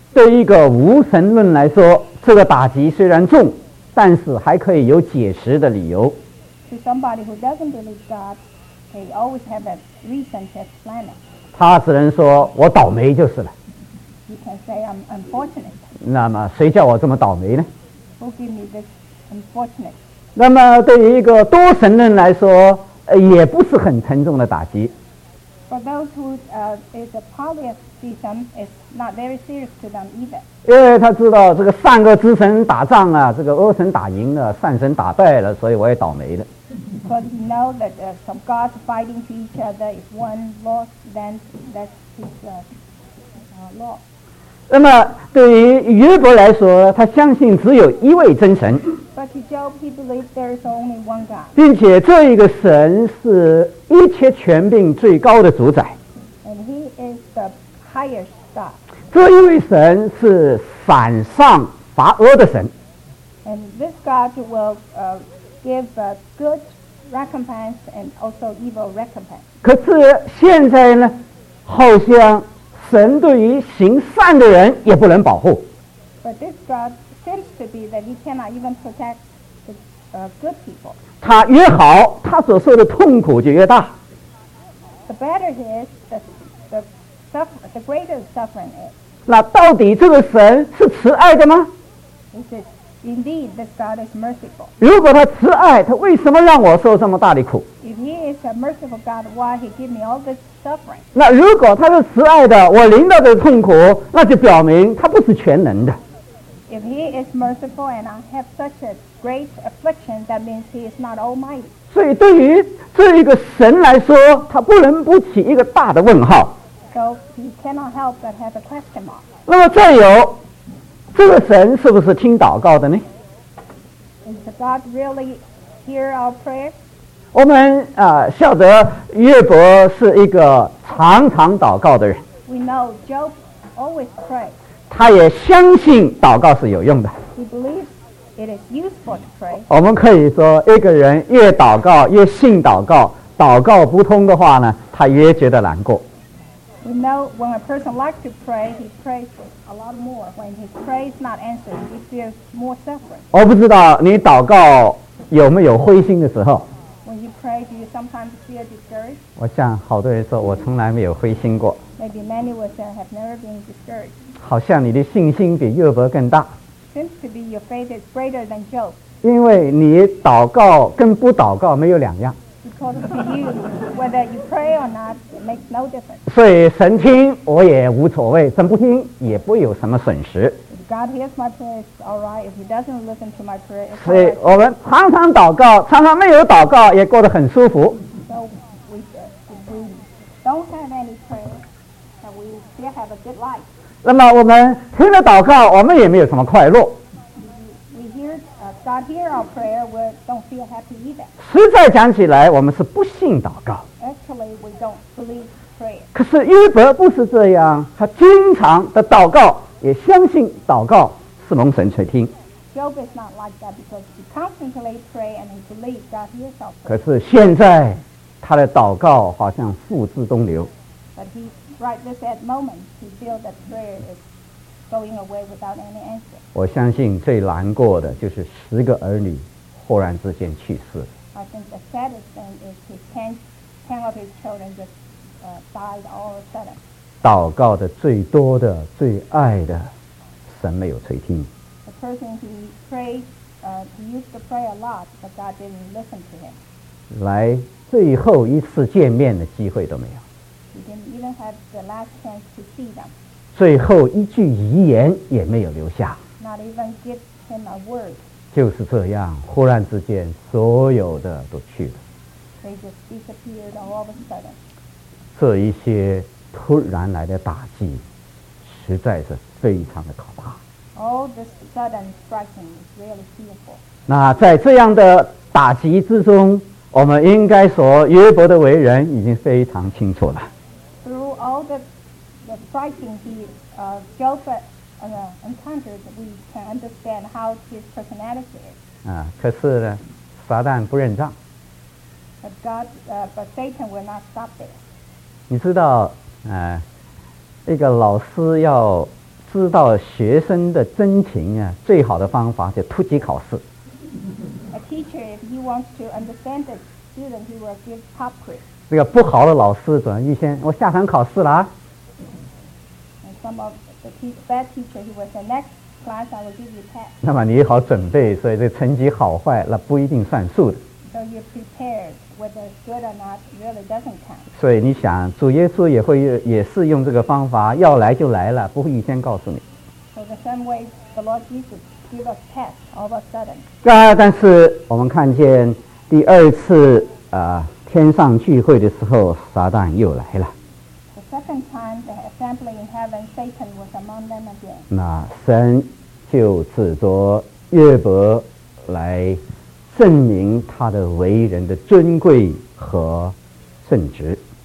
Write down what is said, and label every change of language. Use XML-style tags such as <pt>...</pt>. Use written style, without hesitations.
<zh>对于一个无神论来说，这个打击虽然重，但是还可以有解释的理由。</zh> <en>To somebody who doesn't believe God, they always have a reason to explain it.</en> <zh>他只能说我倒霉就是了。</zh> <en>You can say I'm unfortunate.</en> <zh>那么谁叫我这么倒霉呢？</zh> <en>Who gave me this unfortunate?</en> <zh>那么对于一个多神论来说，也不是很沉重的打击。</zh> <en>For those who is a polytheism, it's not very serious to them either.</en> <zh>因为他知道这个三个之神打仗啊，这个恶神打赢了，善神打败了，所以我也倒霉了。</zh> <en>Because he know that some gods fighting to each other, if one lost, then that's his loss.</en> <zh>那么对于约伯来说，他相信只有一位真神。</zh> <en>But to Job, he believed there is only one God.</en> <zh>并且这一个神是一切权柄最高的主宰。</zh> <en>And he is the highest God.</en> <zh>这一位神是反上罚恶的神。</zh> <en>And this God will give a good recompense and also evil recompense.</en> <zh>可是现在呢，好像神对于行善的人也不能保护。</zh> <en>But this God seems to be that he cannot even protect the good people.</en> <zh>他越好，他所受的痛苦就越大。</zh> <en>The better he is, the greater the suffering is.</en> <zh>那到底这个神是慈爱的吗？</zh> <en>Is it indeed this God is merciful?</en> <zh>如果他慈爱，他为什么让我受这么大的苦？</zh> <en>If he is a merciful God, why he give me all this?</en> <zh>那如果他是慈爱的，我领导的痛苦，那就表明他不是全能的。</zh> <en>If he is merciful and I have such a great affliction, that means he is not almighty.</en> <zh>所以对于这一个神来说，他不能不起一个大的问号。</zh> <en>So he cannot help but have a question mark.</en> <zh>那么再有，这个神是不是听祷告的呢？</zh> <en>Is God really hear our prayer?</en> <zh>我们晓得约伯是一个常常祷告的人。</zh> <en>We know Job always prays.</en> <zh>他也相信祷告是有用的。</zh> <en>He believes it is useful to pray.</en> <zh>我们可以说，一个人越祷告越信祷告，祷告不通的话呢，他越觉得难过。</zh> <en>We know when a person likes to pray, he prays a lot more. When his prayer is not answered, he feels more suffering.</en> <zh>我不知道你祷告有没有灰心的时候。</zh> <en>When you pray, do you sometimes feel discouraged?</en> <zh>我想好多人说我从来没有灰心过。</zh> <en>Maybe many will say have never been discouraged.</en> <zh>好像你的信心比约伯更大。</zh> <en>Seems to be your faith is greater than Job.</en> <zh>因为你祷告跟不祷告没有两样。</zh> <en>Because to you, whether you pray or not, it makes no difference.</en> <zh>所以神听我也无所谓，神不听也不有什么损失。</zh> <en>God hears my prayer, it's all right. If he doesn't listen to my prayer, it's all right.</en> <zh>所以我们常常祷告，常常没有祷告也过得很舒服。</zh> <en>So we don't have any prayer, and we still have a good life.</en> <zh>那么我们听了祷告，我们也没有什么快乐。</zh> <en>We hear, God hear our prayer, we don't feel happy either.</en> <zh>实在讲起来，我们是不信祷告。</zh> <en>Actually, we don't believe prayer.</en> <zh>可是约伯不是这样，他经常的祷告，也相信祷告是蒙神垂听。</zh> <en>Job is not like that because he constantly pray and he believes God hears him.</en> <zh>可是现在他的祷告好像付之东流。</zh> <en>But he, right this at moment, he feels that prayer is going away without any answer.</en> <zh>我相信最难过的就是十个儿女忽然之间去世。</zh> <en>I think the saddest thing is his ten of his children just died all of a sudden.</en> <zh>祷告的最多的最爱的神没有垂听。</zh> <en>The person he prayed, he used to pray a lot, but God didn't listen to him.</en> <zh>来最后一次见面的机会都没有。</zh> <en>He didn't even have the last chance to see them.</en> <zh>最后一句遗言也没有留下。</zh> <en>Not even give him a word.</en> <zh>就是这样，忽然之间所有的都去了。</zh> <en>They just disappeared all of a sudden.</en> <zh>这一些突然来的打击实在是非常的可怕。</zh> <en>All this sudden striking is really fearful.</en> <zh>那在这样的打击之中，我们应该说约伯的为人已经非常清楚了。</zh> <en>Through all the striking he Job encountered, we can understand how his personality is.</en> <zh>可是呢，撒旦不认账。</zh> <en>But God, but Satan will not stop there.</en> <zh>你知道，一个老师要知道学生的真情啊，最好的方法就突击考试。</zh> <en>A teacher, if he wants to understand the student, he will give top quiz.</en> <zh>那个不好的老师总要预先，我下堂考试了啊。</zh> <en>And some of the bad teacher, he will say, next class, I will give you test.</en> <zh>那么你好准备，所以这成绩好坏那不一定算数的。</zh> <en>So you prepared. Whether it's good or not, really doesn't count.</en> <zh>所以你想，主耶稣也会也是用这个方法，要来就来了，不会预先告诉你。</zh> <en>So the same way the Lord Jesus gave us test all of a sudden.</en> <zh>但是我们看见第二次天上聚会的时候，撒旦又来了。</zh> <en>The second time the assembly in heaven, Satan was among them again.</en> <zh>那神就指着约伯来。证明他的为人的尊贵和圣职。</zh>